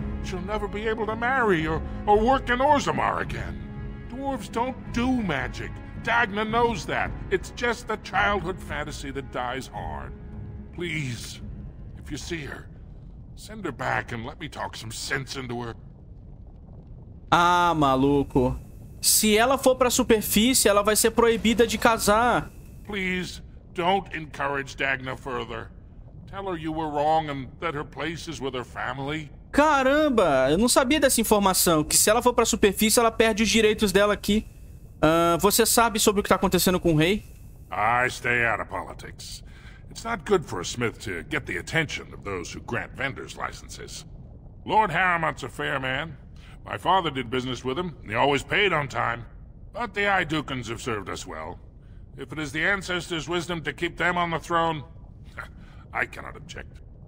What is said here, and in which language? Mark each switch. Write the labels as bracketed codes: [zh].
[en] She'll never be able to marry or work in Orzammar again. Dwarves don't do magic. Dagna knows that. It's just a childhood fantasy that dies hard. Please, if you see her, send her back and let me talk some sense into her. [pt] Ah, maluco. Se ela for pra superfície, ela vai ser proibida de casar. [en] Please, don't encourage Dagna further. Tell her you were wrong and that her place is with her family. [pt] Caramba, eu não sabia dessa informação. Que se ela for pra superfície, ela perde os direitos dela aqui. Você sabe sobre o que tá acontecendo com o rei? [en] I stay out of politics. It's not good for a smith to get the attention of those who grant vendors licenses. Lord Harrimont's a fair man. My father did business with him, and he always paid on time. But the Aedukans have served us well. If it is the ancestors' wisdom to keep them on the throne, I cannot object.